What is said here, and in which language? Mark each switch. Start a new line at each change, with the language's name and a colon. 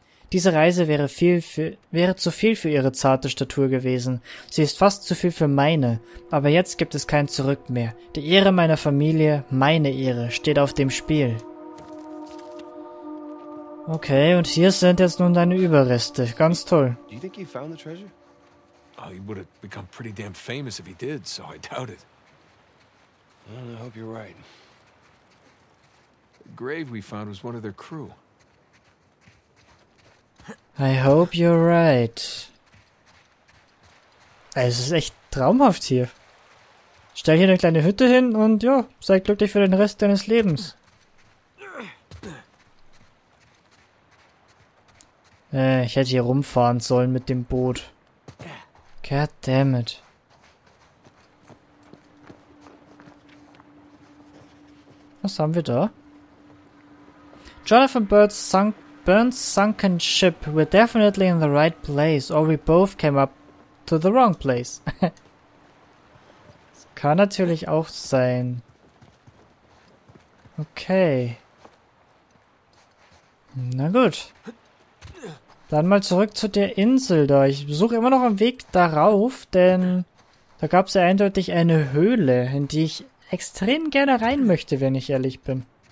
German: Diese Reise wäre zu viel für ihre zarte Statur gewesen. Sie ist fast zu viel für meine, aber jetzt gibt es kein Zurück mehr. Die Ehre meiner Familie, meine Ehre, steht auf dem Spiel. Okay, und hier sind jetzt nun deine Überreste. Ganz toll.
English: Do you think he found the treasure? Oh, he would have become pretty damn famous if he did, so I doubt it. Well, I hope you're right. The grave we found was one of their crew. I hope you're right.
German: Es ist echt traumhaft hier. Stell hier eine kleine Hütte hin und ja, sei glücklich für den Rest deines Lebens. Ich hätte hier rumfahren sollen mit dem Boot.
English: God damn it.
German: Was haben wir da? Jonathan Burns sank.
English: Burns sunken ship. We're definitely in the right place, or we both came up to the wrong place.
German: Das kann natürlich auch sein. Okay. Na gut. Dann mal zurück zu der Insel da. Ich suche immer noch einen Weg darauf, denn da gab es ja eindeutig eine Höhle, in die ich extrem gerne rein möchte, wenn ich ehrlich bin.